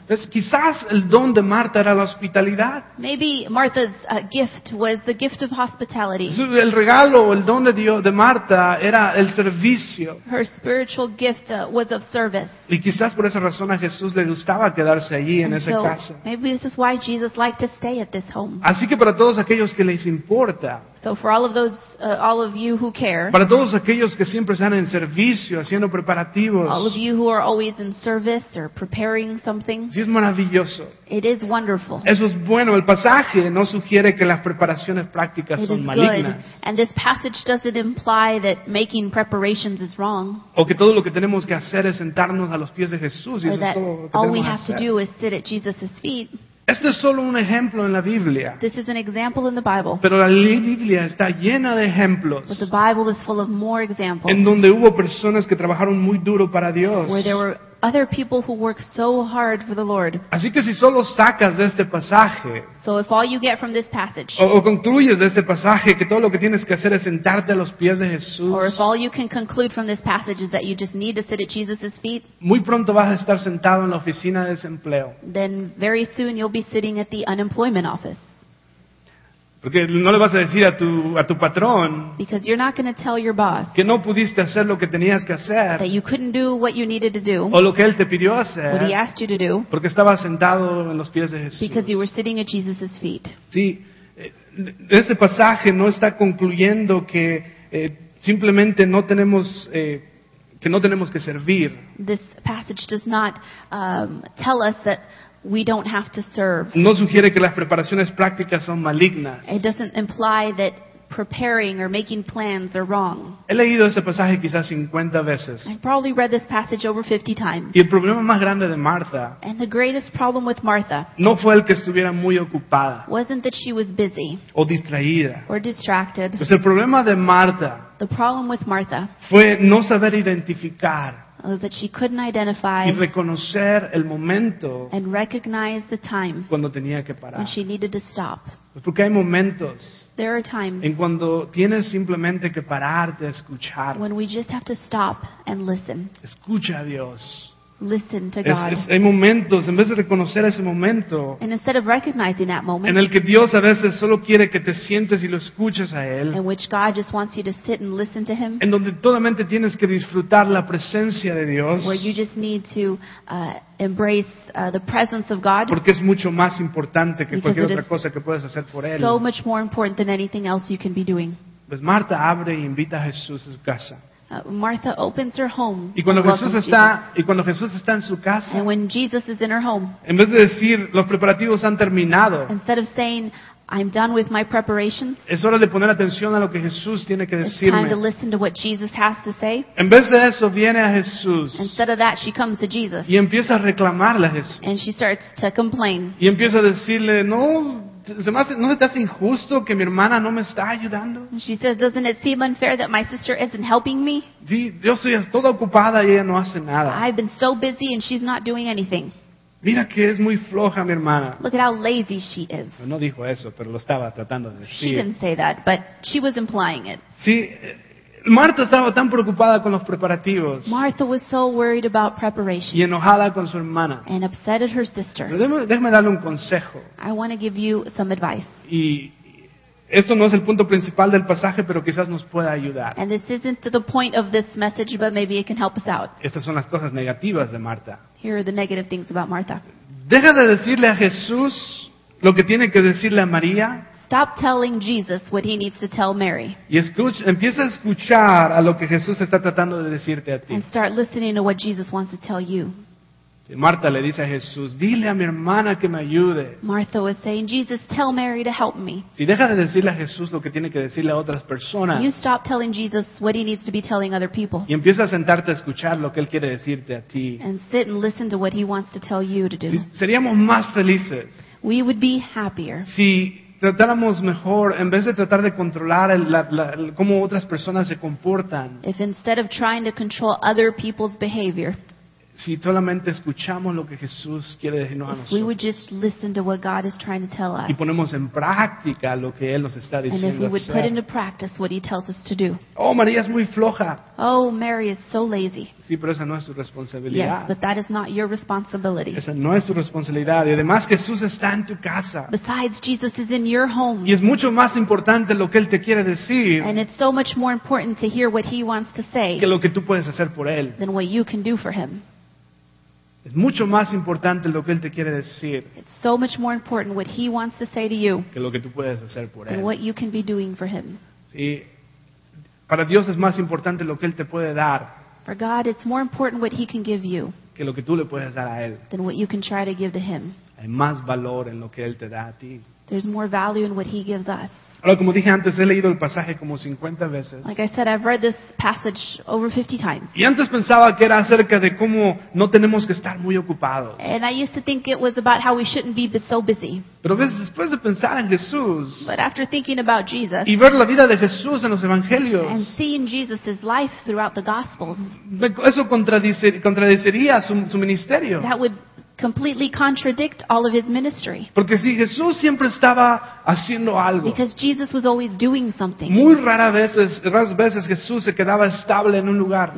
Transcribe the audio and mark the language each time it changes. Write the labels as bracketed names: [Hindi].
[Spanish] Pues quizás el don de Marta era la hospitalidad. [English] Maybe Martha's gift was the gift of hospitality. [Spanish] El regalo o el don de Dios de Marta era el servicio. [English] Her spiritual gift was of service. [Spanish] Y quizás por esa razón a Jesús le gustaba quedarse allí en esa casa. [English] Maybe this is why Jesus liked to stay at this home. [Spanish] Así que para todos aquellos que les importa. [English] So for all of those, all of you who care. [Spanish] Para todos aquellos que siempre están en servicio, haciendo preparativos. [English] All of you who are always in service or preparing something. [Spanish] Sí, es maravilloso. [English] It is wonderful. [Spanish] Eso es bueno. El pasaje no sugiere que las preparaciones prácticas son malignas. [English] And this passage doesn't imply that making preparations is wrong. [Spanish] O que todo lo que tenemos que hacer es sentarnos a los pies de Jesús. [English] Or that all we have to do is sit at Jesus' feet. [Spanish] Este es solo un ejemplo en la Biblia. [English] This is an example in the Bible. [Spanish] Pero la Biblia está llena de ejemplos. [English] But the Bible is full of more examples. [Spanish] En donde hubo personas que trabajaron muy duro para Dios. [English] Where there were other people who worked so hard for the Lord. [Spanish] Así que si solo sacas de este pasaje. [English] So if all you get from this passage. [Spanish] O concluyes de este pasaje que todo lo que tienes que hacer es sentarte a los pies de Jesús. [English] Or if all you can conclude from this passage is that you just need to sit at Jesus' feet. [Spanish] Muy pronto vas a estar sentado en la oficina de desempleo. [English] Then very soon you'll be sitting at the unemployment office. [Spanish] Porque no le vas a decir a tu patrón. [English] Because you're not going to tell your boss. [Spanish] Que no pudiste hacer lo que tenías que hacer. [English] That you couldn't do what you needed to do. [Spanish] O lo que él te pidió hacer. [English] What he asked you to do. [Spanish] Porque estaba sentado en los pies de Jesús. [English] Because you were sitting at Jesus' feet. [Spanish] Sí, ese pasaje no está concluyendo que simplemente no tenemos que no tenemos que servir. [English] This passage does not tell us that we don't have to serve. [Spanish] No sugiere que las preparaciones prácticas son malignas. [English] It doesn't imply that preparing or making plans are wrong. [Spanish] He leído ese pasaje quizás 50 veces. [English] I've probably read this passage over 50 times. [Spanish] Y el problema más grande de Martha. [English] And the greatest problem with Martha. [Spanish] No fue el que estuviera muy ocupada. [English] Wasn't that she was busy. [Spanish] O distraída. [English] Or distracted. [Spanish] Pues el problema de Martha. [English] The problem with Martha. [Spanish] Fue no saber identificar. [English] That she couldn't identify [Spanish] y reconocer el momento [English] and recognize the time [Spanish] cuando tenía que parar. [English] When she needed to stop. [Spanish] Porque hay momentos [English] there are times [Spanish] en cuando tienes simplemente que parar de escuchar. [English] When we just have to stop and listen. [Spanish] Escucha a Dios. [English] Listen to God. [Spanish] Hay momentos, en vez de reconocer ese momento, [English] and instead of recognizing that moment, [Spanish] en el que Dios a veces solo quiere que te sientes y lo escuches a Él, [English] in which God just wants you to sit and listen to Him, [Spanish] en donde totalmente tienes que disfrutar la presencia de Dios, [English] where you just need to embrace the presence of God, [Spanish] porque es mucho más importante que cualquier otra cosa que puedas hacer por Él. [English] So much more important than anything else you can be doing. [Spanish] Pues Marta abre y invita a Jesús a su casa. [English] Martha opens her home. [Spanish] Y cuando Jesús está, y cuando Jesús está en su casa, [English] and when Jesus is in her home, [Spanish] en vez de decir los preparativos han terminado, [English] instead of saying I'm done with my preparations, [Spanish] es hora de poner atención a lo que Jesús tiene que decirme. [English] It's time to listen to what Jesus has to say. [Spanish] En vez de eso viene a Jesús. [English] Instead of that, she comes to Jesus. [Spanish] Y empieza a reclamarle a Jesús. [English] And she starts to complain. [Spanish] Y empieza a decirle no. ¿No se te hace injusto que mi hermana no me está ayudando? [English] She says, doesn't it seem unfair that my sister isn't helping me? [Spanish] Yo estoy toda ocupada y ella no hace nada. [English] I've been so busy and she's not doing anything. [Spanish] Mira que es muy floja mi hermana. [English] Look at how lazy she is. [Spanish] No dijo eso, pero lo estaba tratando de decir. [English] She didn't say that, but she was implying it. [Spanish] Sí. Marta estaba tan preocupada con los preparativos. [English] Martha was so worried about preparation. [Spanish] Y enojada con su hermana. [English] And upset at her sister. [Spanish] Déjame darle un consejo. [English] I want to give you some advice. [Spanish] Y esto no es el punto principal del pasaje, pero quizás nos pueda ayudar. [English] And this isn't the point of this message, but maybe it can help us out. [Spanish] Estas son las cosas negativas de Marta. [English] Here are the negative things about Martha. [Spanish] Deja de decirle a Jesús lo que tiene que decirle a María. [English] Stop telling Jesus what he needs to tell Mary. [Spanish] Y empieza a escuchar a lo que Jesús está tratando de decirte a ti. [English] And start listening to what Jesus wants to tell you. [Spanish] Marta le dice a Jesús, dile a mi hermana que me ayude. [English] Martha was saying, Jesus, tell Mary to help me. [Spanish] Si deja de decirle a Jesús lo que tiene que decirle a otras personas. [English] You stop telling Jesus what he needs to be telling other people. [Spanish] Y empieza a sentarte a escuchar lo que él quiere decirte a ti. [English] And sit and listen to what he wants to tell you to do. [Spanish] Seríamos más felices. [English] We would be happier. [Spanish] Si tratáramos mejor, en vez de tratar de controlar cómo otras personas se comportan, [English] if instead of trying to control other people's behavior, [Spanish] si solamente escuchamos lo que Jesús quiere decirnos a nosotros, [English] we would just listen to what God is trying to tell us, [Spanish] y ponemos en práctica lo que Él nos está diciendo, [English] and if we would put into practice what He tells us to do. [Spanish] Oh, María es muy floja. [English] Oh, Mary is so lazy. [Spanish] Sí, pero esa no es su responsabilidad. [English] Yes, but that is not your responsibility. [Spanish] Esa no es su responsabilidad. Y además, Jesús está en tu casa. [English] Besides, Jesus is in your home. [Spanish] Y es mucho más importante lo que Él te quiere decir. [English] And it's so much more important to hear what He wants to say. [Spanish] Que lo que tú puedes hacer por Él. [English] Than what you can do for Him. [Spanish] Es mucho más importante lo que Él te quiere decir. [English] It's so much more important what He wants to say to you. [Spanish] Que lo que tú puedes hacer por [English] Él. Than what you can be doing for Him. [Spanish] Sí. Para Dios es más importante lo que Él te puede dar. [English] For God, it's more important what He can give you. [Spanish] Que lo que tú le puedes dar a Él. [English] Than what you can try to give to Him. [Spanish] Hay más valor en lo que Él te da a ti. [English] There's more value in what He gives us. [Spanish] Ahora, como dije antes, he leído el pasaje como 50 veces. [English] Like I said, I've read this passage over 50 times. [Spanish] Y antes pensaba que era acerca de cómo no tenemos que estar muy ocupados. [English] And I used to think it was about how we shouldn't be so busy. [Spanish] Pero después de pensar en Jesús, [English] but after thinking about Jesus, [Spanish] y ver la vida de Jesús en los Evangelios, [English] and seeing Jesus's life throughout the Gospels, [Spanish] eso contradeciría su ministerio. [English] That would completely contradict all of His ministry. [Spanish] Porque si Jesús siempre estaba haciendo algo. [English] Because Jesus was always doing something. [Spanish] Muy raras veces Jesús se quedaba estable en un lugar.